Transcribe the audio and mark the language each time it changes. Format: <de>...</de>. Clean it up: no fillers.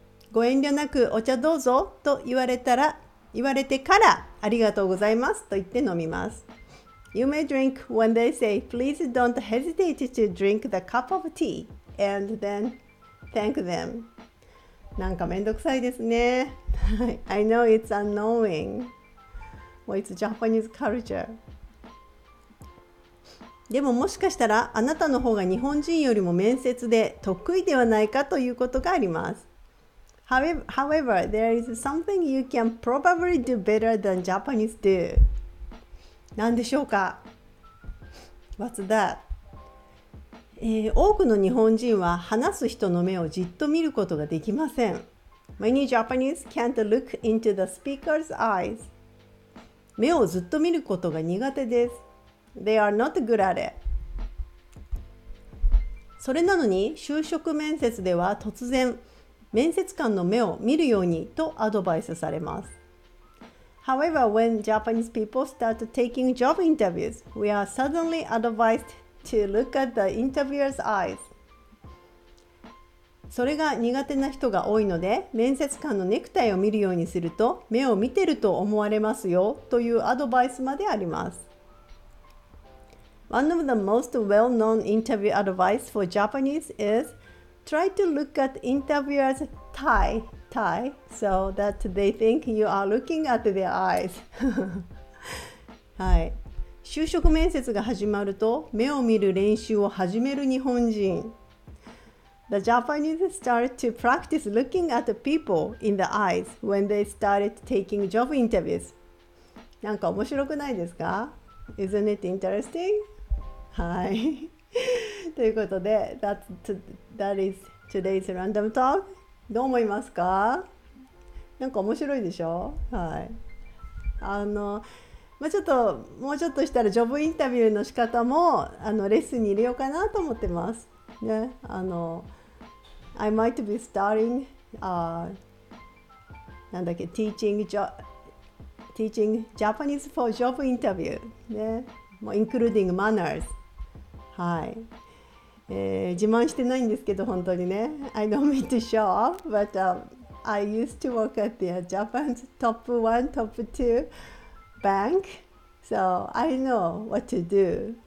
<ja>ご遠慮なくお茶どうぞと言われてからありがとうございますと言って飲みます。</ja> <en>You may drink when they say, please don't hesitate to drink the cup of tea and then thank them.</en> <ja>なんかめんどくさいですね。</ja> <en>I know it's annoying. Well, it's Japanese culture.</en> <ja>でももしかしたらあなたの方が日本人よりも面接で得意ではないかということがあります。</ja> <en>However, there is something you can probably do better than Japanese do.</en> <ja>何でしょうか?</ja> <en>What's that?</en> <ja>多くの日本人は話す人の目をじっと見ることができません。</ja> <en>Many Japanese can't look into the speaker's eyes.</en> <ja>目をずっと見ることが苦手です。</ja> <en>They are not good at it.</en> <ja>それなのに就職面接では突然面接官の目を見るようにとアドバイスされます。</ja> <en>However, when Japanese people start taking job interviews, we are suddenly advised to look at the interviewer's eyes.</en> <ja>それが苦手な人が多いので、面接官のネクタイを見るようにすると目を見てると思われますよというアドバイスまであります。</ja> <en>One of the most well-known interview advice for Japanese is try to look at interviewer's tie so that they think you are looking at their eyes.</en> <ja>はい、就職面接が始まると目を見る練習を始める日本人。</ja> <en>The Japanese started to practice looking at the people in the eyes when they started taking job interviews.</en> <ja>なんか面白くないですか？</ja> <en>Isn't it interesting?</en> <ja>はい。ということで、</ja> <en>that is today's random talk.</en> <ja>どう思いますか？なんか面白いでしょ？はい。まあ、もうちょっとしたらジョブインタビューの仕方もレッスンに入れようかなと思ってます。</ja> <en>ね、I might be starting, teaching Japanese for job interview, ね、including manners.</en> <ja>はい。自慢してないんですけど、本当にね。</ja> <en>I don't mean to show off, but I used to work at the Japan's top one, top two. Bank, so I know what to do.</en>